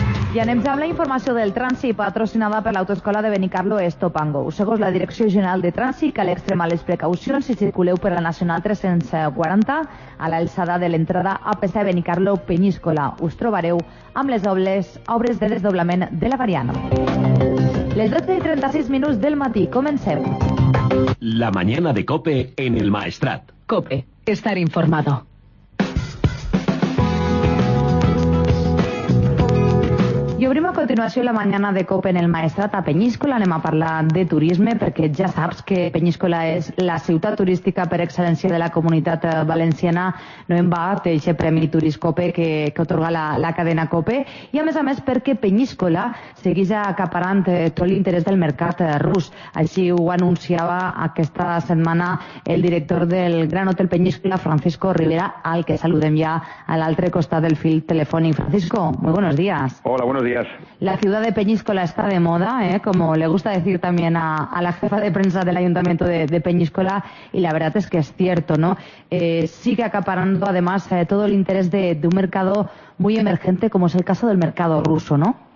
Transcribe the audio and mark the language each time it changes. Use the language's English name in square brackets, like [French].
[Catalan] I anem ja amb la informació del trànsit patrocinada per l'autoescola de Benicarlo Stop & Go. Segons la Direcció General de Trànsit, cal extremar les precaucions si circuleu per la Nacional 340 a l'alçada de l'entrada APC Benicarlo Peníscola. Us trobareu amb les obres de desdoblament de la variant. Les 12:36 minuts del matí. Comencem. [Spanish] La mañana de COPE en el Maestrat. COPE. Estar informado. [Catalan] I obrim a continuació la mañana de COPE en el Maestrat a Peníscola. Anem a parlar de turisme, perquè ja saps que Peníscola és la ciutat turística per excel·lència de la Comunitat Valenciana. No en va, té aquest premi Turist COPE que otorga la cadena COPE. I a més perquè Peníscola segueix acaparant tot l'interès del mercat rus. Així ho anunciava aquesta setmana el director del Gran Hotel Peníscola, Francisco Rivera, al que saludem ja a l'altre costat del fil telefònic. [Spanish] Francisco, muy buenos días. Hola, buenos días. La ciudad de Peníscola está de moda, ¿eh? Como le gusta decir también a la jefa de prensa del Ayuntamiento de Peníscola, y la verdad es que es cierto, ¿no? Sigue acaparando además todo el interés de un mercado muy emergente, como es el caso del mercado ruso, ¿no?